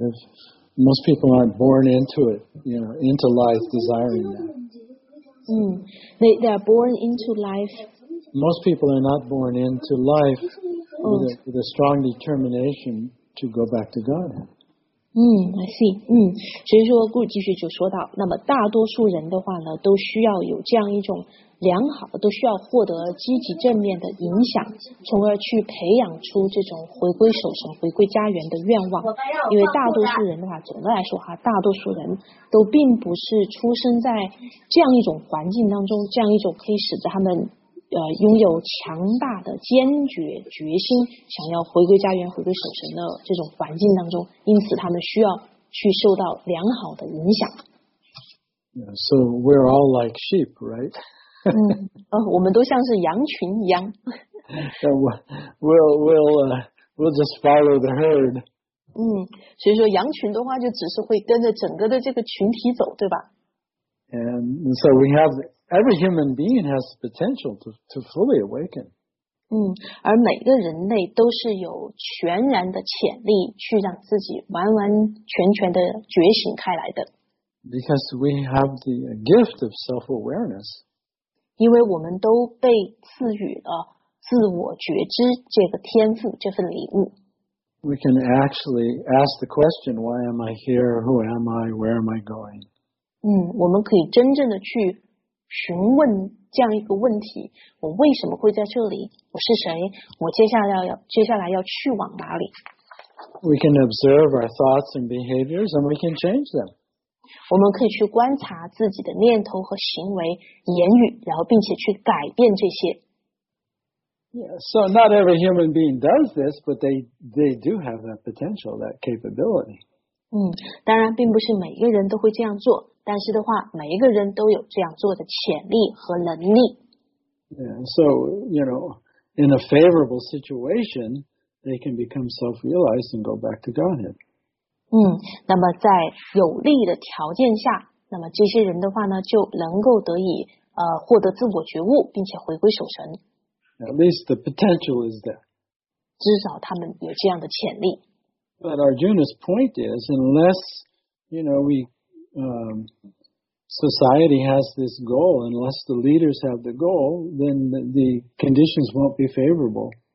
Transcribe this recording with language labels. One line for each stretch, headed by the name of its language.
English: If most people aren't born into it, you know, into life desiring that. They are born into life. Most people are not born into life with a strong determination to go back to Godhead. I see.
Chinese: 所以说顾继续就说到，那么大多数人的话呢，都需要有这样一种良好，都需要获得积极正面的影响，从而去培养出这种回归守神、回归家园的愿望。因为大多数人的话，总的来说哈，大多数人都并不是出生在这样一种环境当中，这样一种可以使得他们拥有强大的坚决决心想要回归家园、回归守神的这种环境当中，因此他们需要去受到良好的影响。
English: Yeah, so we're all like sheep, right?
Chinese: 我们都像是羊群一样。
English: we'll just follow the herd.
Chinese: 所以说羊群的话就只是会跟着整个的这个群体走，对吧？
English: And so we have... Every human being has the potential to fully awaken.
Chinese: 而每个人类都是有全然的潜力去让自己完完全全的觉醒开来的。
English: Because we have the gift of self-awareness.
Chinese: 因为我们都被赐予了自我觉知这个天赋，这份礼物。
English: We can actually ask the question, why am I here? Who am I? Where am I going?
Chinese: 我们可以真正的去询问这样一个问题，我为什么会在这里？我是谁？我接下来要去往哪里？
English: We can observe our thoughts and behaviors and we can change them.
Chinese: 我们可以去观察自己的念头和行为、言语，然后并且去改变这些。
English: Yeah, so not every human being does this, but they do have that potential, that capability.
Chinese: 当然并不是每一个人都会这样做。但是的话，每一个人都有这样做的潜力和能力。
English: Yeah, so, you know, in a favorable situation, they can become self-realized and go back to Godhead.
Chinese: 那么在有利的条件下，那么这些人的话呢，就能够得以获得自我觉悟，并且回归守神。
English: At least the potential is there.
Chinese: 至少他们有这样的潜力。
English: But Arjuna's point is, unless, you know, society has this goal, unless the leaders have the goal, then the conditions won't be favorable.